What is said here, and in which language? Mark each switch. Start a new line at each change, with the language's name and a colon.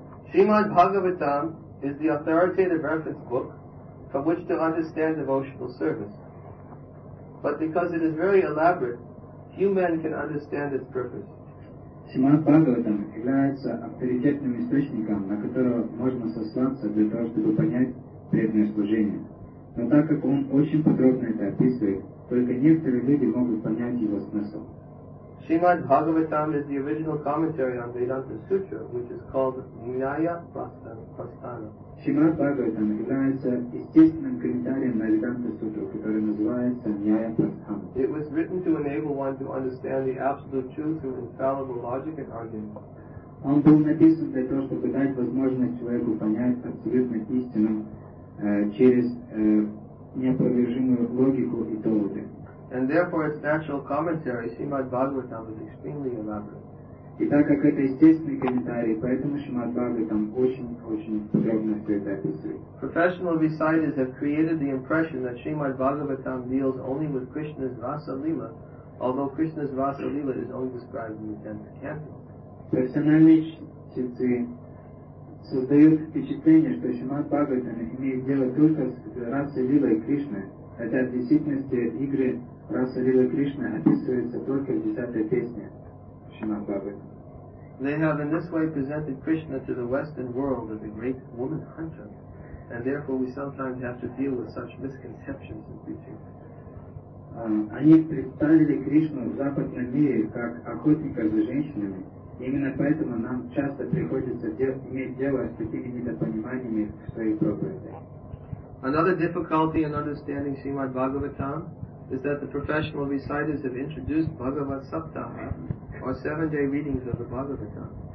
English: Śrīmad Bhāgavatam is the authoritative reference book from which to understand devotional service. But because it is very elaborate, few men can understand its purpose.
Russian: Śrīmad Bhāgavatam является авторитетным источником, на которого можно сослаться для того, чтобы понять преданное служение. Но так как он очень подробно это описывает, только некоторые люди могут понять его смысл.
English: Śrīmad Bhāgavatam is the original commentary on Vedanta Sutra, which is called Nyaya Prasthana.
Russian: Śrīmad Bhāgavatam является естественным комментарием на Vedanta Sutra, который называется Nyaya Prasthana.
English: It was written to enable one to understand the absolute truth through infallible logic and argument.
Russian: Он был написан для того, чтобы дать возможность человеку понять абсолютную истину через неопровержимую логику и доводы.
English: And therefore, its natural commentary, Śrīmad Bhāgavatam, is extremely elaborate.
Russian: И так как это естественный комментарий, поэтому Śrīmad Bhāgavatam очень-очень подробно все это описывает.
English: Professional reciters have created the impression that Śrīmad Bhāgavatam deals only with Krishna's Rasa-lila, although Krishna's Rasa-lila is only described in the 10th canto.
Russian: Профессиональные чтецы создают впечатление, что Śrīmad Bhāgavatam имеет дело только с Rasa-lilой Кришны, хотя в действительности игры Раса Лила Кришна описываются только в 10-й песне Шримад Бхагаватам.
English: They have in this way presented Krishna to the Western world as a great woman hunter, and therefore we sometimes have to deal with such misconceptions in preaching.
Russian: Они представили Кришну в западном мире как охотника за женщинами. Именно поэтому нам часто приходится иметь дело с такими недопониманиями в своих проповедях.
English: Another difficulty in understanding Srimad Bhagavatam is that the professional reciters have introduced Bhagavad Saptaha, or 7-day readings of the Bhagavatam.